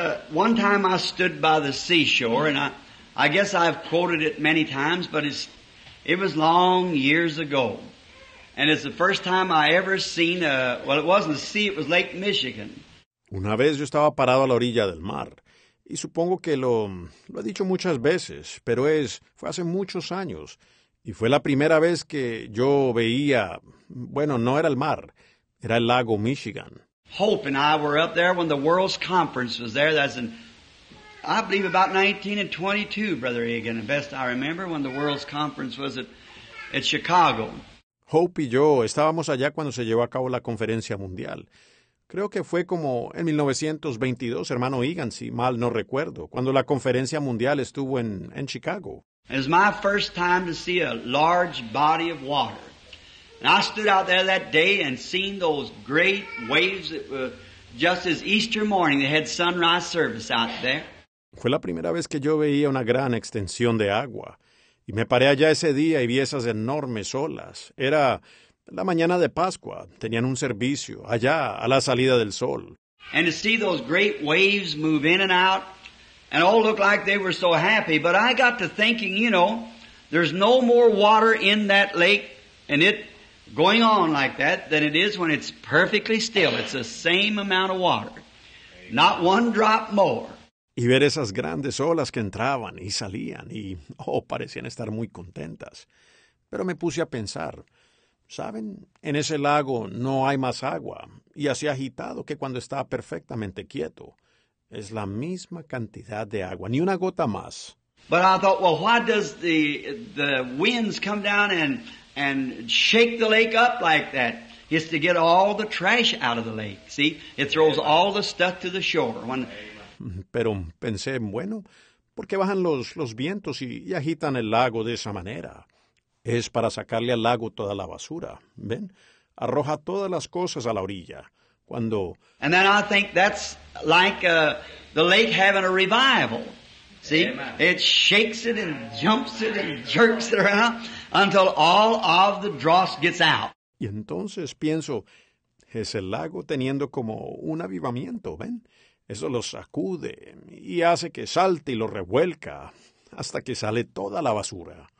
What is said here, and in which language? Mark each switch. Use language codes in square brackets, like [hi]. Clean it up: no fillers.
[en] One time I stood by the seashore, and I guess I've quoted it many times, but it was long years ago. And it's the first time I ever seen it wasn't a sea, it was Lake Michigan. [es] Una vez yo estaba parado a la orilla del mar, y supongo que lo he dicho muchas veces, pero fue hace muchos años, y fue la primera vez que yo veía, bueno, no era el mar, era el lago Michigan. [en] Hope and I were up there when the World's Conference was there. That's in, I believe, about 1922, Brother Egan, the best I remember, when the World's Conference was at Chicago. [es] Hope y yo estábamos allá cuando se llevó a cabo la conferencia mundial. Creo que fue como en 1922, hermano Egan, si mal no recuerdo, cuando la conferencia mundial estuvo en Chicago. [en] It was my first time to see a large body of water. And I stood out there that day and seen those great waves that were just as Easter morning. They had sunrise service out there. [es] Fue la primera vez que yo veía una gran extensión de agua. Y me paré allá ese día y vi esas enormes olas. Era la mañana de Pascua. Tenían un servicio allá a la salida del sol. [en] And to see those great waves move in and out, and all looked like they were so happy. But I got to thinking, you know, there's no more water in that lake and it going on like that than it is when it's perfectly still. It's the same amount of water. Not one drop more. [es] Y ver esas grandes olas que entraban y salían y, parecían estar muy contentas. Pero me puse a pensar, ¿saben? En ese lago no hay más agua y así agitado que cuando está perfectamente quieto. Es la misma cantidad de agua, ni una gota más. [en] But I thought, well, why does the winds come down and shake the lake up like that? It's to get all the trash out of the lake. See, it throws all the stuff to the shore. [es] Pero pensé, bueno, ¿por qué bajan los vientos y agitan el lago de esa manera? Es para sacarle al lago toda la basura. ¿Ven? Arroja todas las cosas a la orilla. Cuando... [en] And then I think that's like the lake having a revival. See, it shakes it and jumps it and jerks it around until all of the dross gets out. [es] Y entonces pienso, es el lago teniendo como un avivamiento, ¿ven? Eso lo sacude y hace que salte y lo revuelca hasta que sale toda la basura.